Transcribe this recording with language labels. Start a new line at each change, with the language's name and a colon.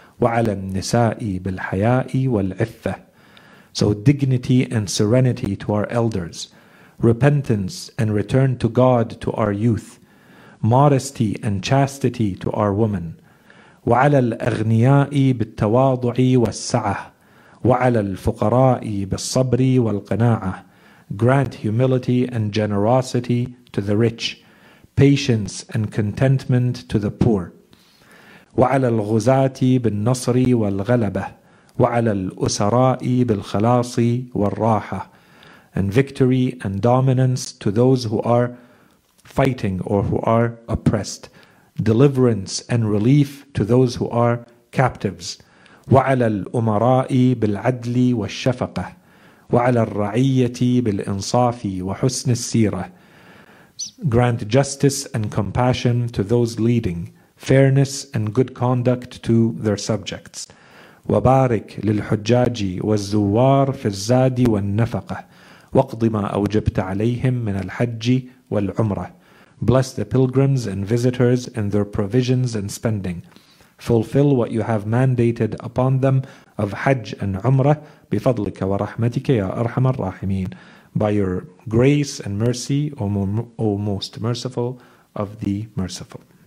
Arabic: وعلى النساء بالحياء والعفة.
English: So dignity and serenity to our elders, repentance and return to God to our youth, modesty and chastity to our women.
Arabic: وعلى الأغنياء بالتواضع والسعة وعلى الفقراء بالصبر والقناعة.
English: Grant humility and generosity to the rich, patience and contentment to the poor.
Arabic: وعلى الغزاة بالنصر والغلبة وعلى الأسراء بالخلاص والراحة.
English: And victory and dominance to those who are fighting or who are oppressed. Deliverance and relief to those who are captives.
Arabic: وعلى الأمراء بالعدل والشفقة وعلى الرعية بالإنصاف وحسن السيرة.
English: Grant justice and compassion to those leading, fairness and good conduct to their subjects.
Arabic: وبارك للحجاج والزوار في الزاد والنفقة واقض ما أوجبت عليهم من الحج والعمرة.
English: Bless the pilgrims and visitors in their provisions and spending. Fulfill what you have mandated upon them of Hajj and Umrah
Arabic: بفضلك ورحمتك يا أرحم الراحمين.
English: By your grace and mercy, O most merciful of the merciful.